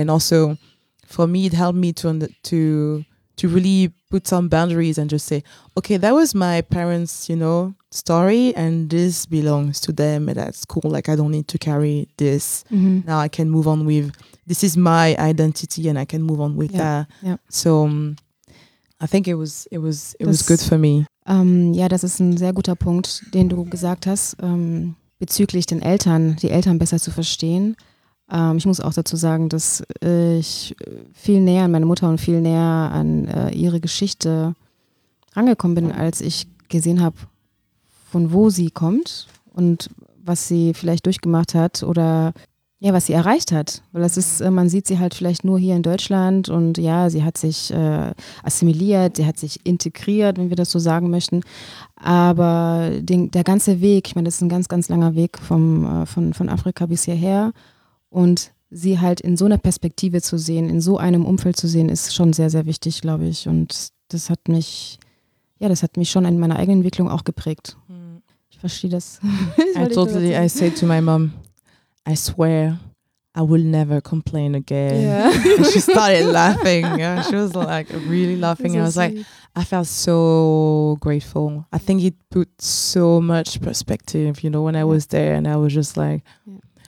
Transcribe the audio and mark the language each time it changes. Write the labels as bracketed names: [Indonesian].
[English] And also for me, it helped me to really put some boundaries and just say, okay, that was my parents', you know, story, and this belongs to them, and that's cool. Like, I don't need to carry this. Mm-hmm. Now I can move on with, this is my identity, and I can move on with that. Yeah. So I think it was good for me. [German] Ja, das ist ein sehr guter Punkt, den du gesagt hast, bezüglich den Eltern, die Eltern besser zu verstehen. Ich muss auch dazu sagen, dass ich viel näher an meine Mutter und viel näher an ihre Geschichte rangekommen bin, als ich gesehen habe, von wo sie kommt und was sie vielleicht durchgemacht hat oder ja, was sie erreicht hat. Weil das ist, man sieht sie halt vielleicht nur hier in Deutschland und ja, sie hat sich assimiliert, sie hat sich integriert, wenn wir das so sagen möchten. Aber der ganze Weg, ich meine, das ist ein ganz, ganz langer Weg von Afrika bis hierher. Und sie halt in so einer Perspektive zu sehen, in so einem Umfeld zu sehen, ist schon sehr, sehr wichtig, glaube ich. Und das hat mich, ja, das hat mich schon in meiner eigenen Entwicklung auch geprägt. Ich verstehe das. [English] I say to my mom, I swear, I will never complain again. Yeah. She started laughing. Yeah. She was like really laughing. And I was sweet. Like, I felt so grateful. I think it put so much perspective, you know, when I was there and I was just like... Yeah.